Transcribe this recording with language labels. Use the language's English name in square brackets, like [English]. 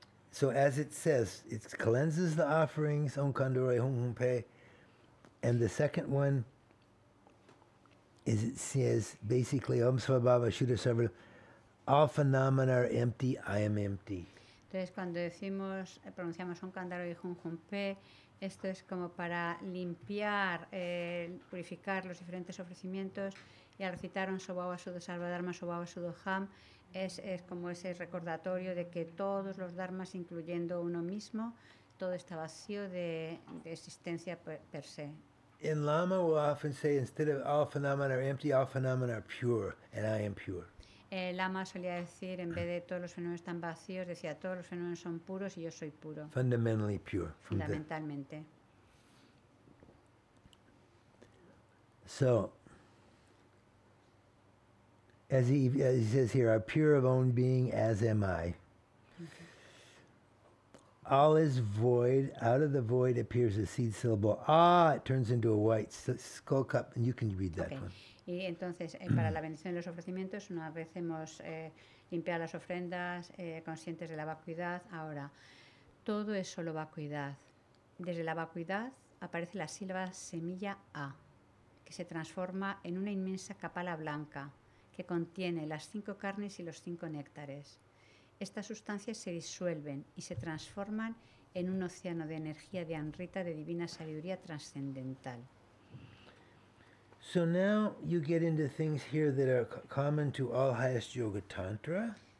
[English] So as it says, it cleanses the offerings, Om Kandaroy Hum Hum Pe. And the second one is it says basically, Om Svabhava Shura Saradharma, all phenomena are empty, I am empty. [Spanish] Entonces, cuando pronunciamos un cándaro y un junpe, esto es como para limpiar, purificar los diferentes ofrecimientos. Y al recitar un sobhava sudo sarva dharma sobhava sudo ham, es como ese recordatorio de que todos los dharmas, incluyendo uno mismo, todo está vacío de existencia per se. [English] En Lama, we often say, instead of all phenomena are empty, all phenomena are pure, and I am pure. [Spanish] El lama solía decir, en vez de todos los fenómenos están vacíos, decía, todos los fenómenos son puros y yo soy puro. [English] Fundamentally pure. [Spanish] Fundamentalmente. [English] So, as he says here, are pure of own being, as am I. Okay. All is void. Out of the void appears a seed syllable. Ah, it turns into a white skull cup. And you can read that okay. one. [Spanish] Y entonces, para la bendición de los ofrecimientos, una vez hemos limpiado las ofrendas, conscientes de la vacuidad, ahora, todo es solo vacuidad. Desde la vacuidad aparece la sílaba semilla A, que se transforma en una inmensa kapala blanca, que contiene las 5 carnes y los 5 néctares. Estas sustancias se disuelven y se transforman en un océano de energía de Amrita, de divina sabiduría trascendental. [English] So now you get into things here that are common to all highest yoga tantra.